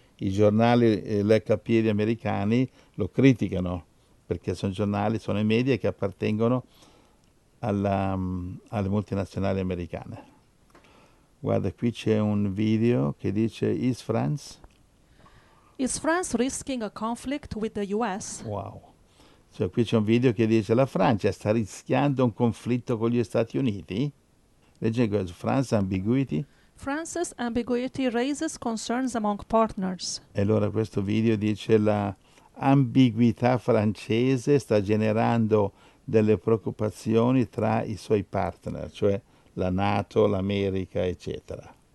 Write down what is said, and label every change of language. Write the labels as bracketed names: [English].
[Italian] I giornali, l'HPD americani lo criticano, perché sono i media che appartengono alle multinazionali americane. Guarda, qui c'è un video che dice [English] Is France? Is France risking a conflict with the US? Wow. [Italian] Cioè, qui c'è un video che dice la Francia sta rischiando un conflitto con gli Stati Uniti? [English] France ambiguity. France's ambiguity raises concerns among partners. [Italian] E allora questo video dice la ambiguità francese sta generando delle preoccupazioni tra i suoi partner, cioè la NATO, l'America, eccetera.